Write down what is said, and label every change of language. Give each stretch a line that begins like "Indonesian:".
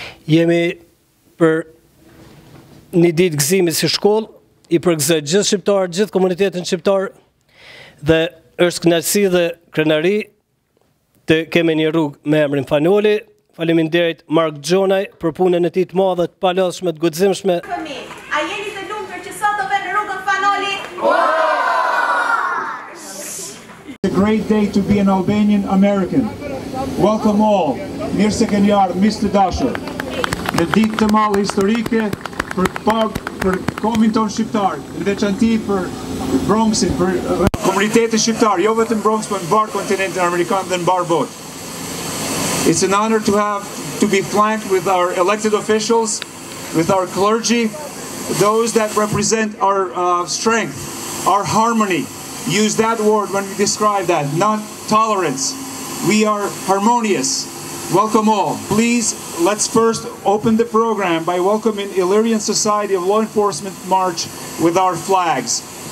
Albanian: Jemi për një ditë gëzimi si shkollë, i përgëzoj gjithë shqiptarët, gjithë komunitetin shqiptar, dhe është kënaqësi dhe krenari të kemi një rrugë me emrin Fan Noli. Faleminderit Mark Gjonaj për punën e tij të madhe, të palodhshme, të guximshme. A jeni të lumtur që sot do vënë rrugën Fan Noli?
English: It's a great day to be an Albanian American. Welcome all.
Albanian: Mirë se keni ardhur, Mr. Dashur. Në ditë të madhe historike për kombin ton shqiptar, veçanti për Bronxin, për komunitetin shqiptar, jo vetëm Bronx, por mbar kontinentin amerikan dhe mbar botë.
English: It's an honor to be flanked with our elected officials, with our clergy, those that represent our strength, our harmony. Use that word when we describe that, not tolerance. We are harmonious. Welcome all. Please, let's first open the program by welcoming Illyrian Society of Law Enforcement March with our flags.